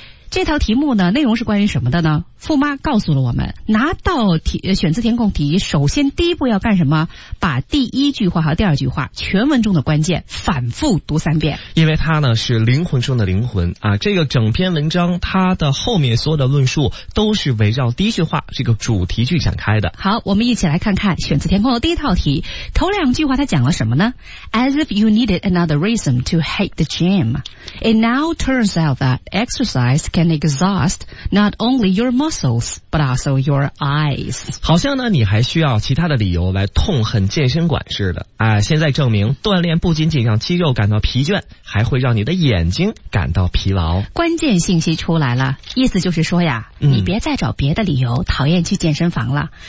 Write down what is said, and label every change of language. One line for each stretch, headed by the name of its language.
Chinese: 这套题目呢，内容是关于什么的呢？傅妈告诉了我们，拿到选择填空题，首先第一步要干什么？把第一句话和第二句话全文中的关键反复读3遍。因为它呢是灵魂中的灵魂啊，这个整篇文章它的后面所有的论述都是围绕第一句话这个主题去展开的。好，我们一起来看看选择填空的第一套题，头两句话它讲了什么呢
English: ？As if you needed another reason to hate the gym, it now turns out that exercise can exhaust not only your muscles but also your eyes.
Chinese: 好像呢，你还需要其他的理由来痛恨健身馆似的啊！现在证明，锻炼不仅仅让肌肉感到疲倦，还会让你的眼睛感到疲劳。关键信息出来了，意思就是说呀，你别再找别的理由讨厌去健身房了。